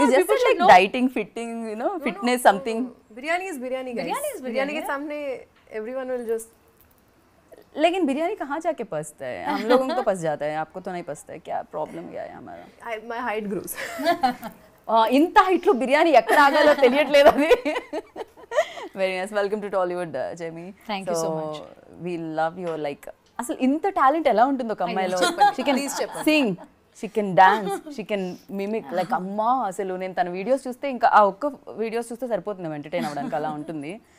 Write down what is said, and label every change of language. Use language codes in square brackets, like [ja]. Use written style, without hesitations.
[en] It's just like dieting, fitting, you know, fitness, something. Biryani is biryani, guys. Biryani is biryani. Biryani [hi] ke samne [en] everyone will just... [hi] लेकिन बिरयानी कहाँ जाके पसता है? हम लोगों को पस जाता है, आपको तो नहीं पसता है? क्या प्रॉब्लम क्या है हमारा? [en] My height grows. [te] ఇంత హైట్లో బిర్యానీ ఎక్కడ ఆగాలో తెలియట్లేదు అది. [en] Very nice, welcome to Tollywood జెమీ. Thank you so much. We love your, [te] like అసలు ఇంత టాలెంట్ ఎలా ఉంటుందో ఒక అమ్మాయిలో. [en] chicken [te] Singh, chicken dance, chicken mimic, like అమ్మా అసలు నేను తన వీడియోస్ చూస్తే ఇంకా ఆ ఒక్క వీడియోస్ చూస్తే సరిపోతుంది ఎంటర్టైన్ అవ్వడానికి, అలా ఉంటుంది.